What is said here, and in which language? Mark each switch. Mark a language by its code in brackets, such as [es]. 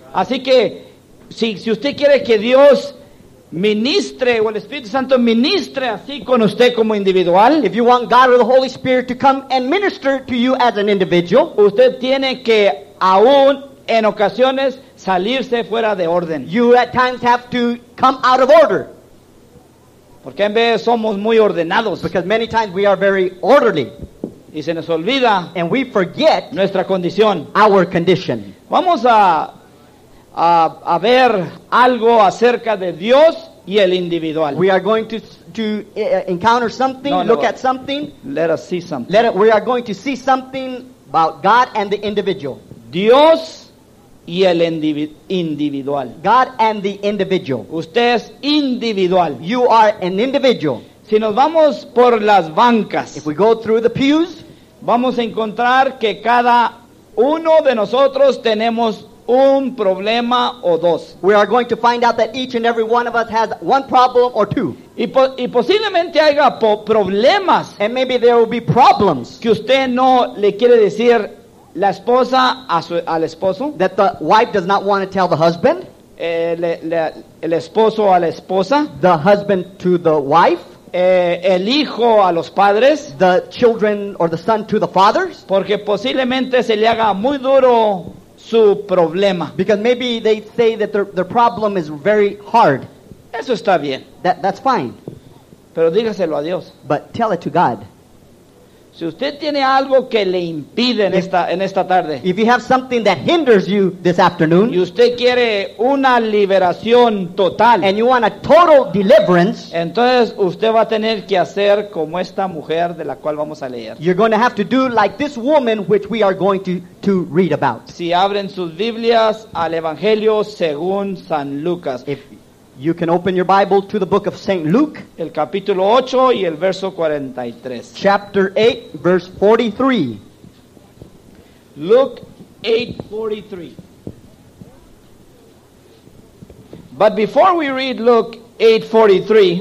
[es] Así que si usted quiere que Dios ministre o el Espíritu Santo ministre así con usted como individual, [en] if you want God or the Holy Spirit to come and minister to you as an individual, [es] usted tiene que aún en ocasiones salirse fuera de orden. [en] You at times have to come out of order. [es] Porque en vez somos muy ordenados. [en] Because many times we are very orderly. [es] Y se nos olvida, [en] and we forget [es] nuestra condición, [en] our condition. [es] Vamos a ver algo acerca de Dios y el individual. [en] We are going to encounter something, no, look no, at something. Let us see something. We are going to see something about God and the individual. [es] Dios y el individual. [en] God and the individual. [es] Usted es individual. [en] You are an individual. [es] Si nos vamos por las bancas, [en] if we go through the pews, [es] vamos a encontrar que cada uno de nosotros tenemos un problema o dos. [en] We are going to find out that each and every one of us has one problem or two. [es] Y posiblemente haya problemas. [en] And maybe there will be problems. [es] Que usted no le quiere decir la esposa al esposo. [en] That the wife does not want to tell the husband. [es] El esposo a la esposa. [en] The husband to the wife. [es] El hijo a los padres. [en] The children or the son to the fathers. [es] Porque posiblemente se le haga muy duro su problema. [en] Because maybe they say that their problem is very hard. [es] Eso está bien. [en] That's fine. [es] Pero dígaselo a Dios. [en] But tell it to God. [es] Si usted tiene algo que le impide en esta tarde, [en] if you have something that hinders you this afternoon, [es] y usted quiere una liberación total, [en] and you want a total deliverance, [es] entonces usted va a tener que hacer como esta mujer de la cual vamos a leer. [en] You're going to have to do like this woman which we are going to read about. [es] Si abren sus Biblias al Evangelio según San Lucas. [en] If you can open your Bible to the book of St. Luke, [es] el capítulo 8 y el verso 43. [en] Chapter 8, verse 43. Luke 8:43. But before we read Luke 8:43,